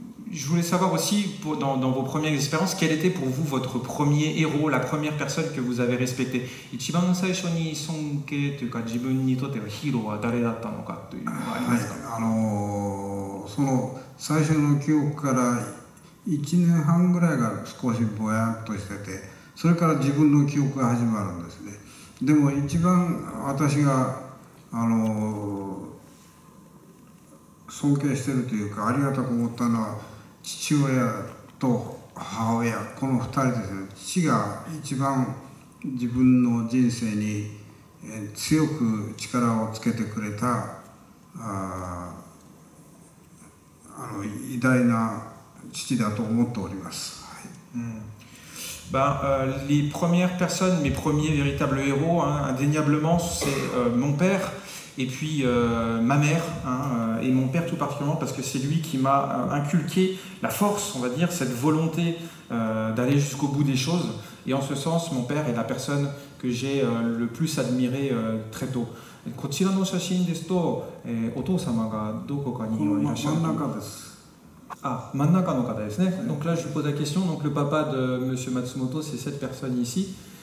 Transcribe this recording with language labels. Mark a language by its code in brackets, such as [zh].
[fr] Je voulais savoir aussi pour, dans vos premières expériences, quel était pour vous votre premier héros, la première personne que vous avez respecté. [ja] 一番最初に尊敬というか自分にとってのヒーローは誰だったのかというのがありますか。はい、その最初の記憶から1年半ぐらいが少しぼやっとしてて、それから自分の記憶が始まるんですね。でも一番私が尊敬してるというかありがたく思ったのは父親と母親この二人ですね父が一番自分の人生に強く力をつけてくれた あの偉大な父だと思っております、はい [fr] うん、ben, les premières personnes mes premiers véritables héros hein, indéniablement c'est mon pèreet puis ma mère, hein, et mon père tout particulièrement, parce que c'est lui qui m'a inculqué la force, on va dire, cette volonté d'aller jusqu'au bout des choses. Et en ce sens, mon père est la personne que j'ai le plus admiré très tôt. [ja] こちらの写真ですと、お父様がどこかにいらっしゃるの？真ん中です。 Ah, 真ん中の方ですね。 [fr] Donc là, je vous pose la question. Donc le papa de M. Matsumoto, c'est cette personne ici.